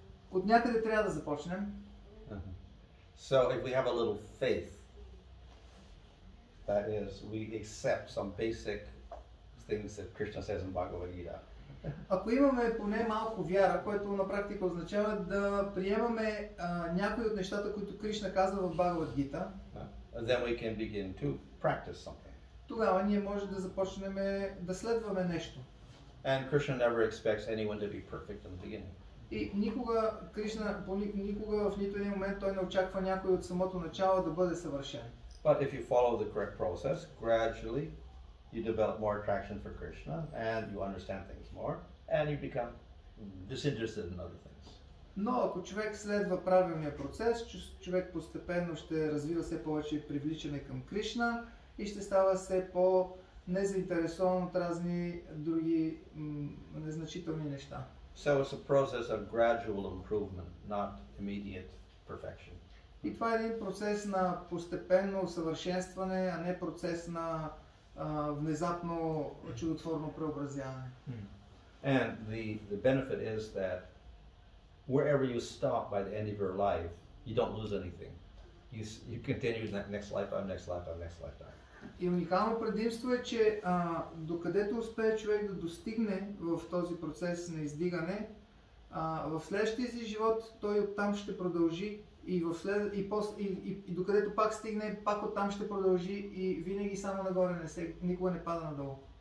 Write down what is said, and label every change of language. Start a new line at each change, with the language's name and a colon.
Bulgarian: От някъде трябва да започнем.
English: So if we have a little faith, that is, we accept some basic things that Krishna says in Bhagavad Gita.
Bulgarian: Ако имаме поне малко вяра, което на практика означава да приемаме някои от нещата, които Кришна казва в Бхагавад Гита,
English: then we can begin to practice something.
Bulgarian: Тогава ние можем да започнем да следваме нещо.
English: And Krishna never expects anyone to be perfect in the beginning.
Bulgarian: И никога Кришна, никога в нито един момент той не очаква някой от самото начало да бъде съвършен.
English: But if you follow the correct process, gradually you develop more attraction for Krishna and you understand things more and you become disinterested in other things.
Bulgarian: Но ако човек следва правилния процес, човек постепенно ще развива все повече привличане към Кришна и ще става все по незаинтересован от разни други незначителни неща.
English: So it's a process of gradual improvement, not immediate perfection.
Bulgarian: И това е един процес на постепенно усъвършенстване, а не процес на внезапно чудотворно преобразяване.
English: And the benefit is that wherever you stop by the end of your life, you don't lose anything. You continue that next life, on next life, on next lifetime.
Bulgarian: И уникално предимство е, че докъдето успее човек да достигне в този процес на издигане, в следващия си живот той оттам ще продължи и, и докъдето пак стигне, пак оттам ще продължи и винаги само нагоре, никога не пада надолу.